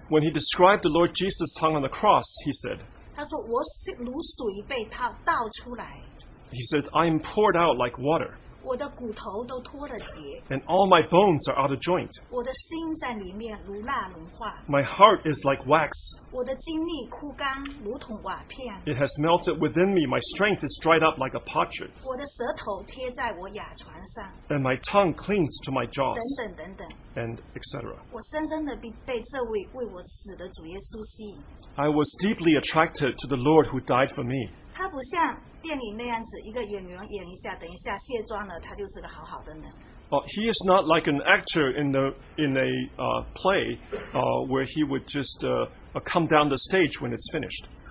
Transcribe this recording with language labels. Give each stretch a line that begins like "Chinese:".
English: When he described the Lord Jesus hung on the cross, he said,
Chinese: 他说我如水被倒出来。
English: He said, I'm poured out like water.
Chinese: 我的骨头都脱了节,
English: and all my bones are out of joint.
Chinese: 我的心在里面如蜡融化,
English: my heart is like wax.
Chinese: 我的精力枯干,
English: it has melted within me. My strength is dried up like a potsherd.
Chinese: 我的舌头贴在我牙床上,
English: and my tongue clings to my jaws.
Chinese: 等等等等,
English: and etc.
Chinese: 我深深地被这位为我死的主耶稣吸引。
English: I was deeply attracted to the Lord who died for me.
Chinese: 他不像 电影那样子一个演员演一下，等一下卸妆了，他就是个好好的人。
English: He is not like an actor in a play where he would just come down the stage when it's finished.